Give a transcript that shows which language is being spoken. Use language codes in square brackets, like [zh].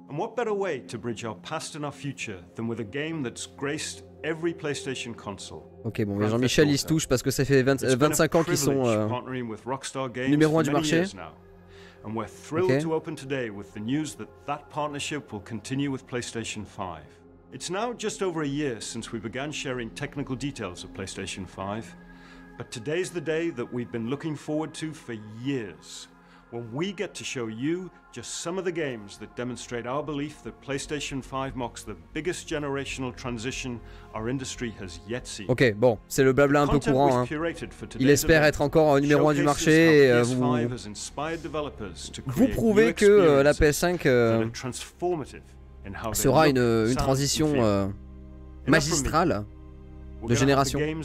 [en] And what better way to bridge our past and our future than with a game that's graced every PlayStation console? [fr] Ok, bon, Jean-Michel, il se touche parce que ça fait 25 ans qu'ils sont numéro 1 du marché. [en] And we're thrilled to open today with the news that that partnership will continue with PlayStation 5. It's now just over a year since we began sharing technical details of PlayStation 5, but today's the day that we've been looking forward to for years. When we get to show you just some of the games that demonstrate our belief that PlayStation 5 marks the biggest generational transition our industry has yet seen. [fr] Ok, bon, c'est le blabla un peu courant. Hein. Il espère être encore numéro 1 du marché et vous prouvez que la PS5 sera une transition magistrale de génération.